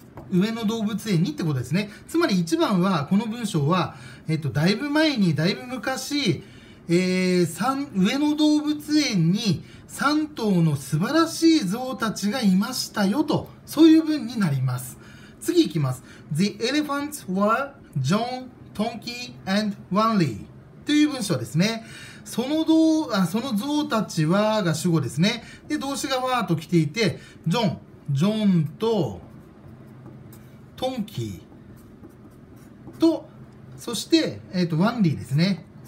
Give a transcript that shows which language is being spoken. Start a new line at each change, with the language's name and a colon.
Japanese: 上野動物園にってことですね。つまり1番は、この文章は、だいぶ前に、だいぶ昔、上野動物園に3頭の素晴らしい象たちがいましたよと、そういう文になります。次いきます。
English: The elephants were John, Tonki, and Wanli
Japanese: という文章ですね。その象たちはが主語ですね。で、動詞がはと来ていて、ジョンとトンキーと、そして、ワンリーですね。